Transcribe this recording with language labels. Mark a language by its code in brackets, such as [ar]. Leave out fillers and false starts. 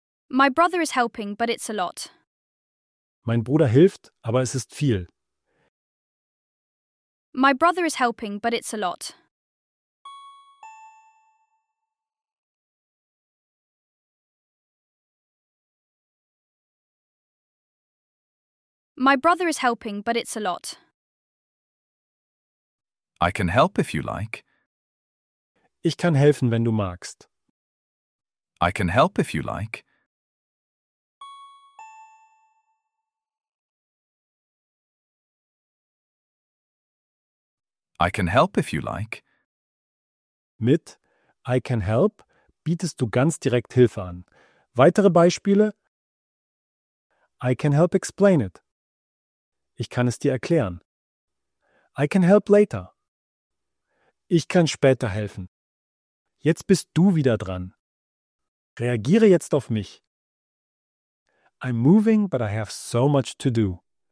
[en] My brother is helping, but it's a lot. [de] Mein Bruder hilft, aber es ist viel. [en] My brother is helping, but it's a lot. My brother is helping, but it's a lot. I can help if you like. [de] Ich kann helfen, wenn du magst. [en] I can help if you like. I can help if you like. [de] Mit [en] I can help [de] bietest du ganz direkt Hilfe an. Weitere Beispiele? [en] I can help explain it. [de] Ich kann es dir erklären. [en] I can help later. [de] Ich kann später helfen. Jetzt bist du wieder dran. Reagiere jetzt auf mich. [en] I'm moving, but I have so much to do.